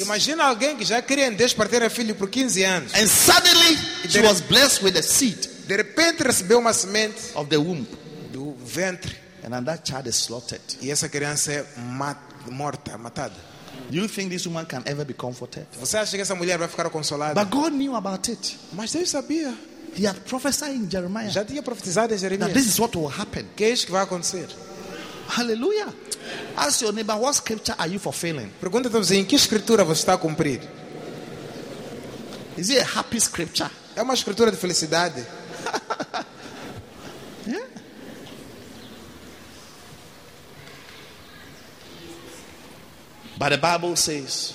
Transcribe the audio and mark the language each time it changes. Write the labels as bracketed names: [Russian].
[Portuguese] Imagina alguém que já cria em Deus para ter um filho por 15 anos. [English] And suddenly she was blessed with a seed. [Portuguese] De repente recebeu uma semente [English] of the womb, [Portuguese] do ventre. [English] And then that child is slaughtered. [Portuguese] E essa criança é matada. Morta, matada. [English] You think this woman can ever be comforted? [Portuguese] Você acha que essa mulher vai ficar consolada? [English] But God knew about it. [Portuguese] Mas Deus sabia. [English] He had prophesied in Jeremiah. [Portuguese] Já tinha profetizado em Jeremias. [English] Now this is what will happen. [Portuguese] Que é isso que vai acontecer? [English] Hallelujah. Ask your neighbor, what scripture are you fulfilling? [Portuguese] Pergunta ao teu vizinho, que escritura você está a cumprir? [English] Is it a happy scripture? [Portuguese] É uma escritura de felicidade. [English] But the Bible says,